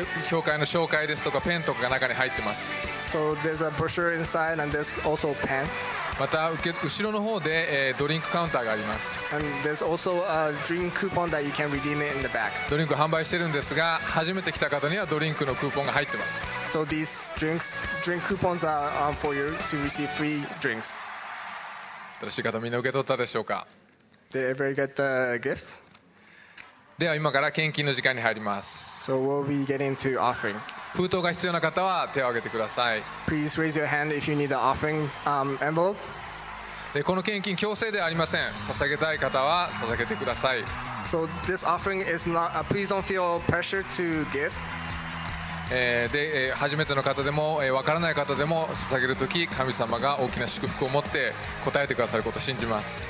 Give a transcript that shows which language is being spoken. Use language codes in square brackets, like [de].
[ja] 教会の紹介ですとかペンとかが中に入ってます。 [en] So there's a brochure inside and there's also a pen. [ja] また後ろの方で、ドリンクカウンターがあります。 [en] And there's also a drink coupon that you can redeem it in the back. [ja] ドリンク販売してるんですが、初めて来た方にはドリンクのクーポンが入ってます。 [en] So these drinks, drink coupons are for you to receive free drinks. [ja] 正しい方みんな受け取ったでしょうか。 [en] Did everybody get the gift? [ja] では今から献金の時間に入ります。 [en] So we'll be getting to offering. [ja] 封筒が必要な方は手を挙げてください。 [en] Please raise your hand if you need the offering envelope. [ja] でこの献金強制ではありません。捧げたい方は捧げてください。 [en] So this offering is not. Please don't feel pressure to give. [ja] で初めての方でも分からない方でも捧げるとき神様が大きな祝福を持って答えてくださることを信じます。